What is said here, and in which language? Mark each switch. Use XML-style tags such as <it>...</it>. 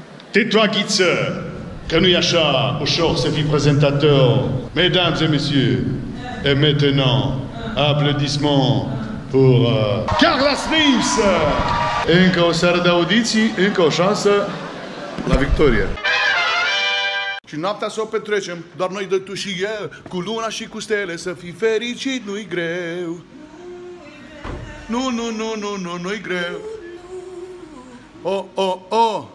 <ro>Tais-toi, Ghiță, că nu-i așa ușor să fii prezentator.</ro> <fr>Mesdames et messieurs, et maintenant, applaudissements pour Carla Smith!</fr> <ro>Încă o seară de audiții, încă o șansă la victorie. Și noaptea să o petrecem, doar noi doi, tu și eu, cu luna și cu stele, să fii fericit, nu-i greu. Nu, nu, nu, nu, nu, nu-i greu. Oh, oh, oh.</ro>